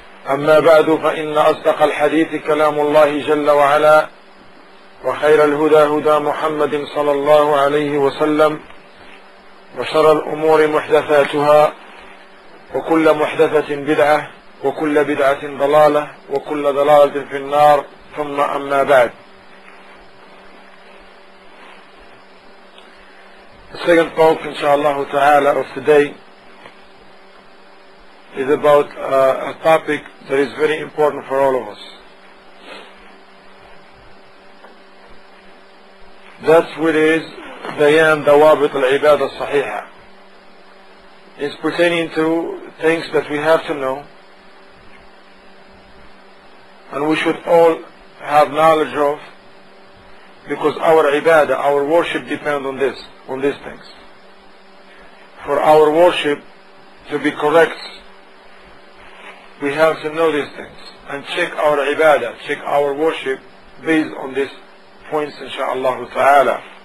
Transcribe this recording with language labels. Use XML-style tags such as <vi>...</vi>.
<ar>أما بعد، فإن أصدق الحديث كلام الله جل وعلا، وخير الهدى هدى محمد صلى الله عليه وسلم، وشر الأمور محدثاتها، وكل محدثة بدعة، وكل بدعة ضلالة، وكل ضلالة في النار. ثم أما بعد،</ar> <en>second talk</en> <ar>إن شاء الله تعالى</ar> <en>of today is about a topic that is very important for all of us. That's what is</en> <ar>بيان ضوابط العبادة الصحيحة.</ar> <en>It's pertaining to things that we have to know and we should all have knowledge of, because our ibadah, our worship depends on this, on these things. For our worship to be correct, we have to know these things and check our ibadah, check our worship based on these points, insha'Allah ta'ala.</en>